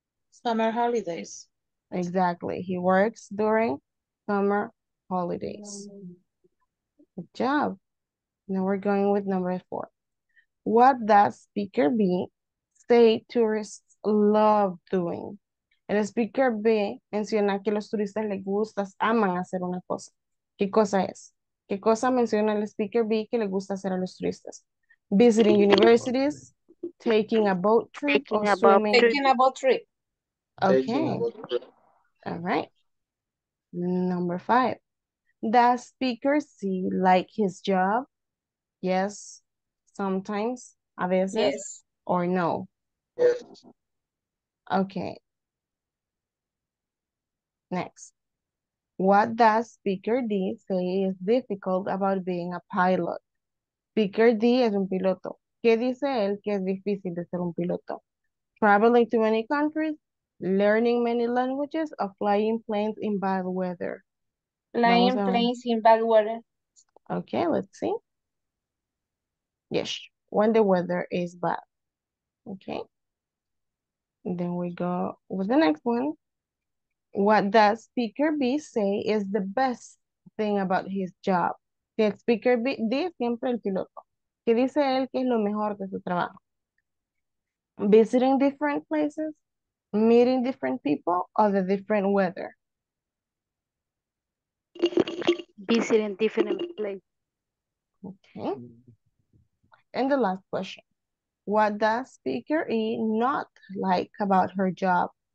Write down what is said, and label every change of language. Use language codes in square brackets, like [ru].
[en] Summer holidays. Exactly. He works during summer holidays. Good job. Now we're going with number four. What does speaker B say tourists love doing? [es] El speaker B menciona que los turistas les gusta, aman hacer una cosa. ¿Qué cosa es? ¿Qué cosa menciona el speaker B que le gusta hacer a los turistas? [en] Visiting universities, taking a boat trip, taking or swimming. Taking a boat trip. Okay. All right. Number five. Does speaker C like his job? Yes. Sometimes. [es] A veces. [en] Yes. Or no? Yes. Okay. Next. What does speaker D say is difficult about being a pilot? [es] Speaker D es un piloto. ¿Qué dice él que es difícil de ser un piloto? [en] Traveling to many countries, learning many languages, or flying planes in bad weather? Flying planes in bad weather. Okay, let's see. Yes, when the weather is bad. Okay. Then we go with the next one. What does speaker B say is the best thing about his job? The speaker B, D, [es] siempre el piloto. ¿Qué dice él que es lo mejor de su trabajo? [en] Visiting different places, meeting different people, or the different weather? Visiting different places. Okay. And the last question. What does speaker E not like about her job?